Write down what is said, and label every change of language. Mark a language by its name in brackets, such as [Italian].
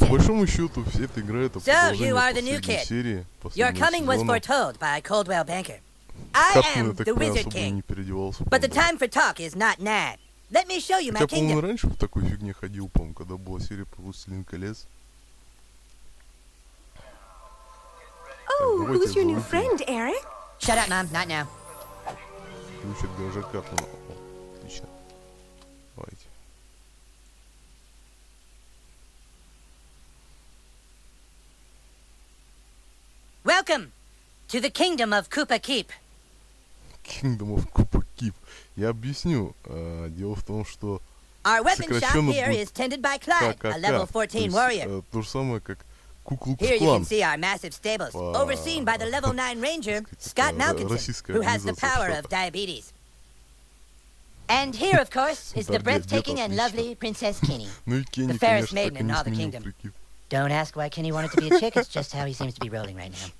[Russian] По большому счету, все это игра, это продолжение последней серии. [English] Your coming was foretold by Coldwell Banker. I am the Wizard King. But the time for talk is not now. Let me show you my kingdom. [Russian] Хотя, по-моему, раньше в такой фигне ходил, по-моему, когда была серия про Властелин колец. [English] Oh, who's your new friend, Eric? Shut up, Mom. Not now. [Russian] Ключ от гаража Картмана. Отлично. Давайте. [English] Welcome to the kingdom of Koopa Keep. Kingdom of Koopa Keep. [Russian] Я объясню. Дело в том, что сокращенно будет [English] KKK. [Russian] То же самое, как Ку-клукс-клан. [English] Here you can see our massive stables, overseen by the level 9 ranger, Scott Malkinson, who has the power of diabetes. And here, of course, is the breathtaking and lovely Princess Kenny. [Russian] Ну и Кенни, [English] the fairest maiden [Russian] конечно, [English] in all the kingdom. [Russian] Прикип. [English] Don't ask why Kenny wanted to be a chick, it's just how he seems to be rolling right now.